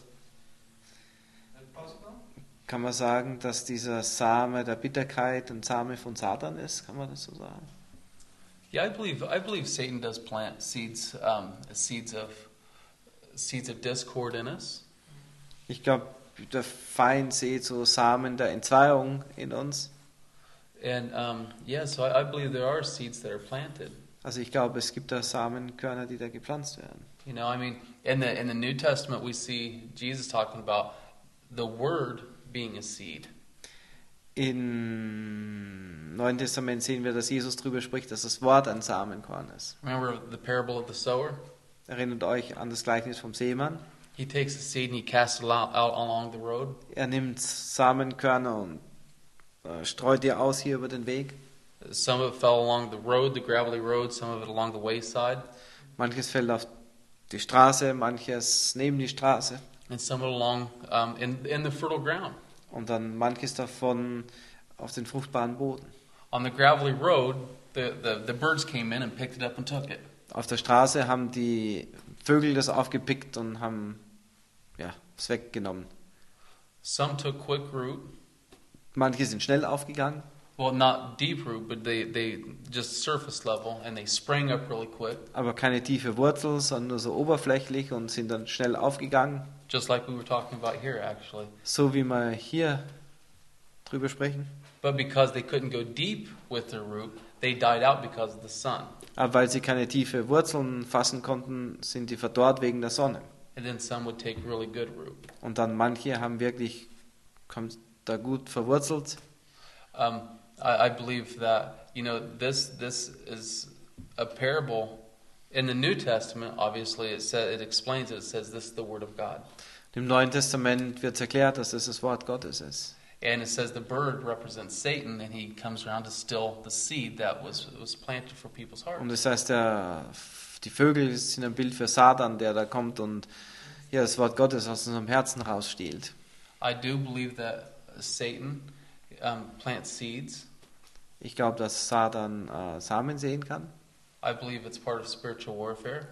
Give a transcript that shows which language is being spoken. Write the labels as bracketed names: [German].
[English] Is that possible? [German] Kann man sagen, dass dieser Same der Bitterkeit ein Same von Satan ist? Kann man das so sagen? [English] Yeah, I believe Satan does plant seeds of discord in us. [German] Ich glaube, der Feind sieht so Samen der Entzweiung in uns. [English] And so I believe there are seeds that are planted. [German] Also ich glaube, es gibt da Samenkörner, die da gepflanzt werden. [English] You know, I mean, in the New Testament we see Jesus talking about the Word being a seed. [German] Im Neuen Testament sehen wir, dass Jesus darüber spricht, dass das Wort ein Samenkorn ist. [English] Remember the parable of the sower? [German] Erinnert euch an das Gleichnis vom Sämann? [English] He takes the seed and he casts it out along the road. [German] Er nimmt Samenkörner und streut die aus hier über den Weg. [English] Some of it fell along the road, the gravelly road, some of it along the wayside. [German] Manches fällt auf die Straße, manches neben die Straße. [English] And some along in the fertile ground. [German] Und dann manches davon auf den fruchtbaren Boden. [English] On the gravelly road, the birds came in and picked it up and took it. [German] Auf der Straße haben die Vögel das aufgepickt und haben es weggenommen. [English] Some took quick root. [German] Manche sind schnell aufgegangen. [English] Well, not deep root, but they just surface level and they sprang up really quick. [German] Aber keine tiefe Wurzel, sondern nur so oberflächlich und sind dann schnell aufgegangen. [English] Just like we were talking about here, actually. [German] So wie wir hier drüber sprechen. [English] But because they couldn't go deep with their root, they died out because of the sun. [German] Aber weil sie keine tiefe Wurzeln fassen konnten, sind die verdorrt wegen der Sonne. [English] And then some would take really good root. [German] Und dann manche haben wirklich, kommt da gut verwurzelt. [English] I believe that, you know, this is a parable. In the New Testament, obviously, it says this is the Word of God. [German] Im Neuen Testament wird erklärt, dass das das Wort Gottes ist. [English] And it says the bird represents Satan, and he comes around to steal the seed that was planted for people's hearts. [German] Und das heißt, die Vögel sind ein Bild für Satan, der da kommt und das Wort Gottes aus unserem Herzen rausstiehlt. [English] I do believe that Satan plants seeds. [German] Ich glaube, dass Satan Samen sehen kann. [English] I believe it's part of spiritual warfare.